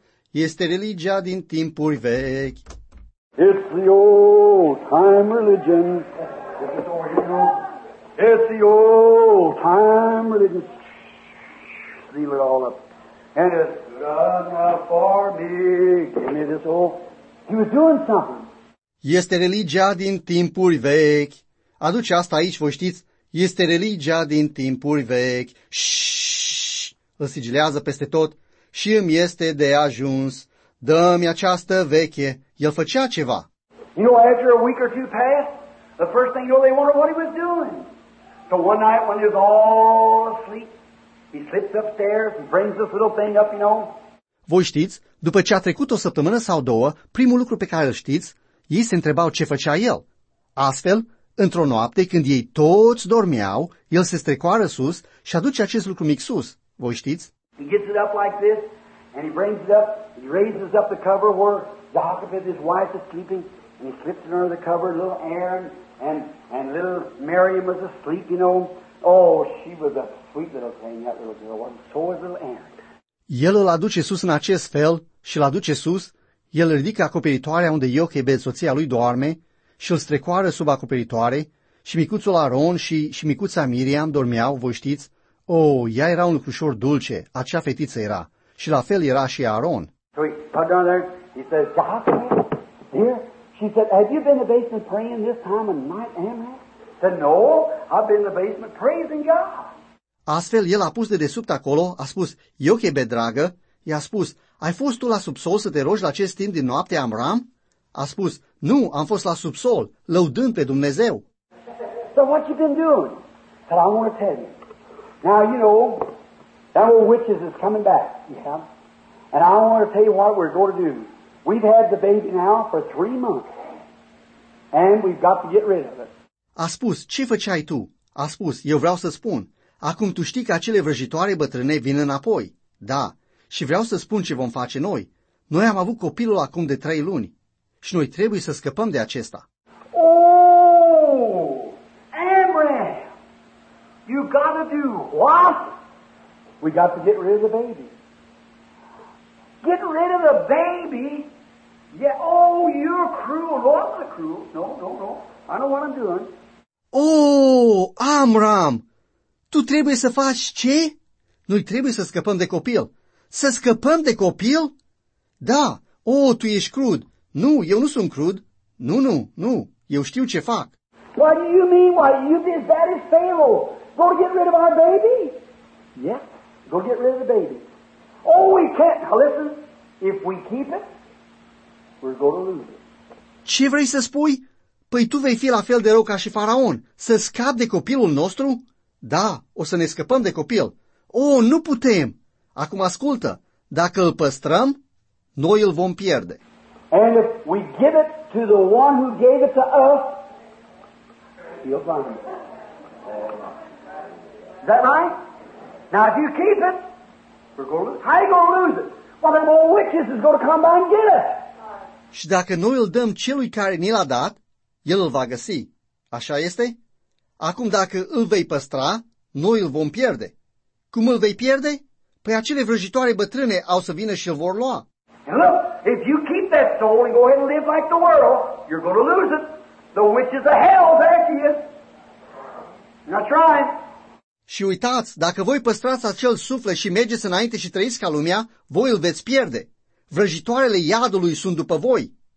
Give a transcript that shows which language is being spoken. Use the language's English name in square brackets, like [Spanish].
[Romanian] Este religia din timpuri vechi. [English] It's the old time religion. It's the old time religion. Seal it all up. And it's done for me. Give me this old. He was doing something. [Romanian] Este religia din timpuri vechi. Aduce asta aici, voi știți. Este religia din timpuri vechi. Shhh! Îl sigilează peste tot. Și îmi este de ajuns. Dă-mi această veche. El făcea ceva. [English] You know, after a week or two passed, the first thing you know, they wondered what he was doing. So one night when you're all asleep, he slips upstairs and brings this little thing up, you know. [Romanian] Voi știți, după ce a trecut o săptămână sau două, primul lucru pe care îl știți, ei se întrebau ce făcea el. Astfel, într-o noapte, când ei toți dormeau, el se strecoară sus și aduce acest lucru mic sus. Voi știți? [English] He gets it up like this, and he brings it up, he raises up the cover where Jacob and his wife is sleeping, and he slips under the cover, little Aaron, and little Miriam was asleep, you know. Oh, she was a sweet little thing, that little girl, and so was little Aaron. [Romanian] El îl aduce sus în acest fel și îl aduce sus, el ridică acoperitoarea unde Iochebed, soția lui, doarme și îl strecoară sub acoperitoare și micuțul Aaron și micuța Miriam dormeau, voi știți? Oh, ea era un lucrușor dulce, acea fetiță era, și la fel era și Aaron. [English] So he put down there, he says, Jacob, dear, she said, have you been in the basement praying this time of night, Amram? He said, no, I've been in the basement praising God. [Romanian] Astfel, el a pus dedesubt acolo, a spus, Iochebed, dragă, i-a spus, ai fost tu la subsol să te rogi la acest timp din noapte, Amram? A spus, nu, am fost la subsol, lăudând pe Dumnezeu. [English] So what you been doing? But I want to tell you. Now, you know, that old witch is coming back, yeah? And I want to tell you what we're going to do. We've had the baby now for 3 months, and we've got to get rid of it. [Romanian] A spus, ce făceai tu? A spus, eu vreau să spun. Acum tu știi că acele vrăjitoare bătrâne vin înapoi. Da, și vreau să spun ce vom face noi. Noi am avut copilul acum de 3 luni și noi trebuie să scăpăm de acesta. [English] Oh, Amram, you got to do what? We got to get rid of the baby. Get rid of the baby? Yeah, oh, you're cruel. No, I'm not cruel. No, no, no. I know what I'm doing. [Romanian] Oh, Amram! Tu trebuie să faci ce? Noi trebuie să scăpăm de copil. Să scăpăm de copil? Da. O, tu ești crud. Nu, eu nu sunt crud. Nu, nu, nu. Eu știu ce fac. [English] What do you mean? What you did? That is Pharaoh. Go get rid of our baby? Yeah. Go get rid of the baby. Oh, we can't. Now listen. If we keep it, we're going to lose it. [Romanian] Ce vrei să spui? Păi tu vei fi la fel de rău ca și Faraon. Să scapi de copilul nostru? Da, o să ne scăpăm de copil. Oh, nu putem! Acum ascultă, dacă îl păstrăm, noi îl vom pierde. [English] And if we give it to the one who gave it to us, he'll find it. Is that right? Now, if you keep it, we're going to lose it. How are you going to lose it? Well, them old witches is going to come by and get it. [Romanian] Și dacă noi îl dăm celui care ni l-a dat, el îl va găsi. Așa este? Acum, dacă îl vei păstra, noi îl vom pierde. Cum îl vei pierde? Păi acele vrăjitoare bătrâne au să vină și îl vor lua. [English] Look, if you keep that soul and go ahead and live like the world, you're going to lose it. The witches of hell, there she is. Not trying. [Romanian] Și uitați, dacă voi păstrați acel suflet și mergeți înainte și trăiți ca lumea, voi îl veți pierde. Vrăjitoarele iadului sunt după voi.